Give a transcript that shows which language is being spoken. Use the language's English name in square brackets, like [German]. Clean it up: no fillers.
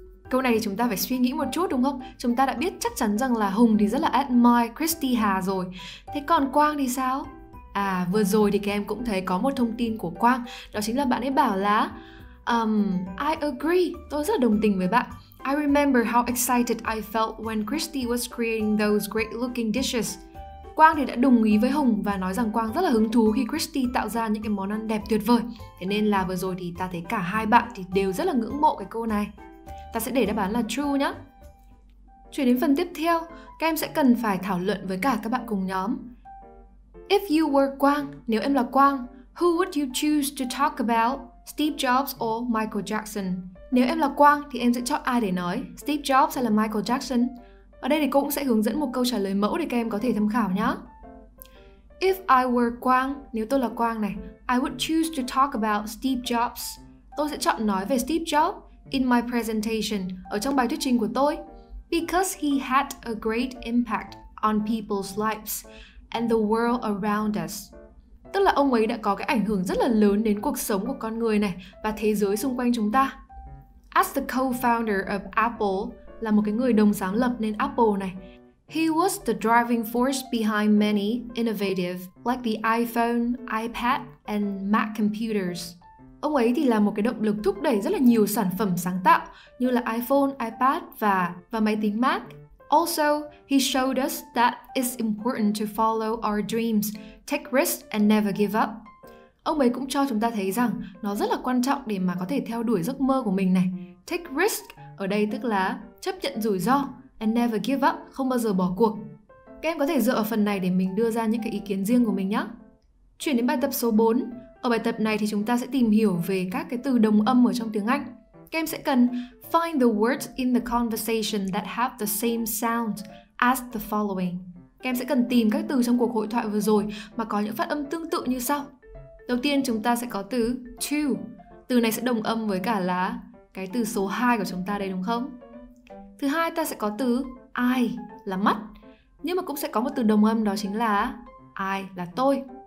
[Vietnamese] Câu này thì chúng ta phải suy nghĩ một chút đúng không? Chúng ta đã biết chắc chắn rằng là Hùng thì rất là admire Christy Hà rồi. Thế còn Quang thì sao? À, vừa rồi thì các em cũng thấy có một thông tin của Quang. Đó chính là bạn ấy bảo là [English] I agree, [Vietnamese] tôi rất là đồng tình với bạn. [English] I remember how excited I felt when Christy was creating those great looking dishes. [Vietnamese] Quang thì đã đồng ý với Hùng và nói rằng Quang rất là hứng thú khi Christy tạo ra những cái món ăn đẹp tuyệt vời. Thế nên là vừa rồi thì ta thấy cả hai bạn thì đều rất là ngưỡng mộ cái câu này. Ta sẽ để đáp án là true nhé. Chuyển đến phần tiếp theo, các em sẽ cần phải thảo luận với cả các bạn cùng nhóm. [English] If you were Quang, [Vietnamese] nếu em là Quang, [English] who would you choose to talk about, Steve Jobs or Michael Jackson? [Vietnamese] Nếu em là Quang thì em sẽ chọn ai để nói, Steve Jobs hay là Michael Jackson? Ở đây thì cô cũng sẽ hướng dẫn một câu trả lời mẫu để các em có thể tham khảo nhé. [English] If I were Quang, [Vietnamese] nếu tôi là Quang này, [English] I would choose to talk about Steve Jobs. [Vietnamese] Tôi sẽ chọn nói về Steve Jobs [English] in my presentation, [Vietnamese] ở trong bài thuyết trình của tôi. [English] Because he had a great impact on people's lives and the world around us. [Vietnamese] Tức là ông ấy đã có cái ảnh hưởng rất là lớn đến cuộc sống của con người này và thế giới xung quanh chúng ta. [English] As the co-founder of Apple, [Vietnamese] là một cái người đồng sáng lập nên Apple này, [English] he was the driving force behind many innovative like the iPhone, iPad and Mac computers. [Vietnamese] Ông ấy thì là một cái động lực thúc đẩy rất là nhiều sản phẩm sáng tạo như là iPhone, iPad và máy tính Mac. [English] Also, he showed us that it's important to follow our dreams, take risks and never give up. [Vietnamese] Ông ấy cũng cho chúng ta thấy rằng nó rất là quan trọng để mà có thể theo đuổi giấc mơ của mình này. Take risk ở đây tức là chấp nhận rủi ro [English] and never give up, [Vietnamese] không bao giờ bỏ cuộc. Các em có thể dựa vào phần này để mình đưa ra những cái ý kiến riêng của mình nhé. Chuyển đến bài tập số 4. Ở bài tập này thì chúng ta sẽ tìm hiểu về các cái từ đồng âm ở trong tiếng Anh. Các em sẽ cần [English] find the words in the conversation that have the same sound as the following. [Vietnamese] Các em sẽ cần tìm các từ trong cuộc hội thoại vừa rồi mà có những phát âm tương tự như sau. Đầu tiên chúng ta sẽ có từ to. Từ này sẽ đồng âm với cả là cái từ số 2 của chúng ta đây đúng không? Thứ hai ta sẽ có từ eye là mắt. Nhưng mà cũng sẽ có một từ đồng âm đó chính là I là tôi.